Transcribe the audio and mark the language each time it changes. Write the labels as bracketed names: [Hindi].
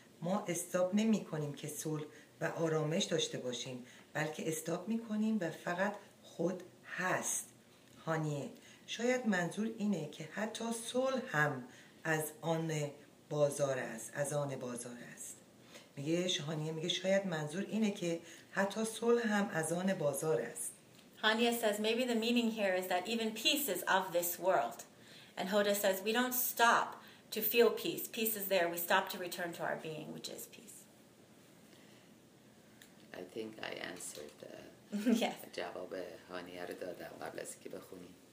[Persian] ما استاب نمی کنیم که صلح و آرامش داشته باشیم، بلکه استاب می کنیم و فقط خود هست. هانیه، شاید منظور اینه که حتی صلح هم از آن بازار است. میگه هانیه، میگه شاید منظور اینه که حتی صلح هم از آن بازار است. [English] هانیه says maybe the meaning here is that even peace is of this world. And Hoda says, we don't stop to feel peace. Peace is there. We stop to return to our being, which is peace. I think I answered the yes. [Persian] جواب هانیه رو دادم قبل از اینکه بخونی.